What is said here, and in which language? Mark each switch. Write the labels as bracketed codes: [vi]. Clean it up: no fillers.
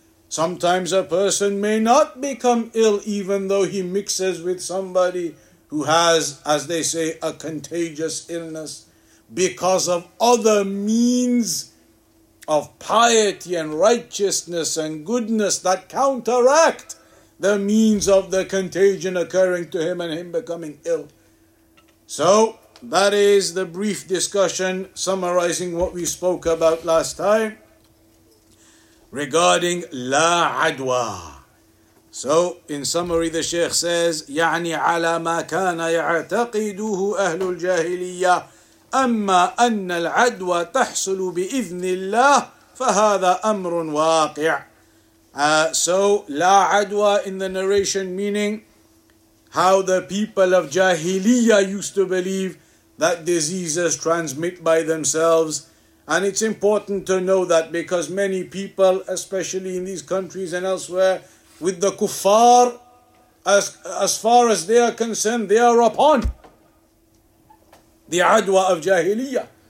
[en] Sometimes a person may not become ill even though he mixes with somebody who has, as they say, a contagious illness, because of other means of piety and righteousness and goodness that counteract the means of the contagion occurring to him and him becoming ill. So that is the brief discussion summarizing what we spoke about last time regarding La Adwa. So in summary, the Sheikh says, [ar] يعني على ما كان يعتقدوه أهل الجاهلية أما أن العدوى تحصل بإذن الله فهذا أمر واقع. [en] So La Adwa in the narration, meaning how the people of Jahiliyyah used to believe that diseases transmit by themselves. And it's important to know that, because many people, especially in these countries and elsewhere, with the kuffar, as far as they are concerned, they are upon the adwa of Jahiliyyah.